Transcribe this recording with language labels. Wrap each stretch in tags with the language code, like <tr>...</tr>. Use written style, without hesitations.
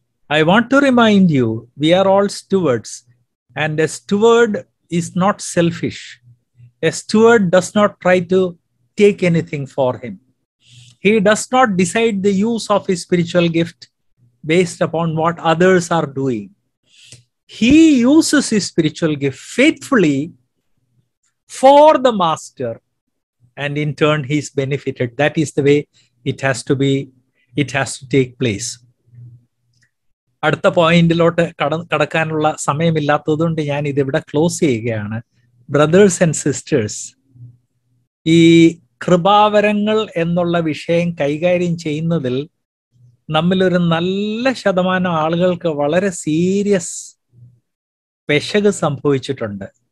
<en>I want to remind you, we are all stewards and a steward is not selfish. A steward does not try to take anything for him. He does not decide the use of his spiritual gift based upon what others are doing. He uses his spiritual gift faithfully for the master and in turn he is benefited. That is the way it has to be, it has to take place.</en> <ml>അടുത്ത പോയിന്റിലോട്ട് കടക്കാനുള്ള സമയമില്ലാത്തതുകൊണ്ട് ഞാൻ ഇത് ഇവിടെ close ചെയ്യുകയാണ്.</ml> <en>brothers and sisters,</en> <ml>ഈ കൃപാവരങ്ങൾ എന്നുള്ള വിഷയം കൈകാര്യം ചെയ്യുന്നതിൽ നമ്മളൊരു നല്ല ശതമാനം ആളുകൾക്ക് വളരെ സീരിയസ് പെശക് സംഭവിച്ചിട്ടുണ്ട്.</ml>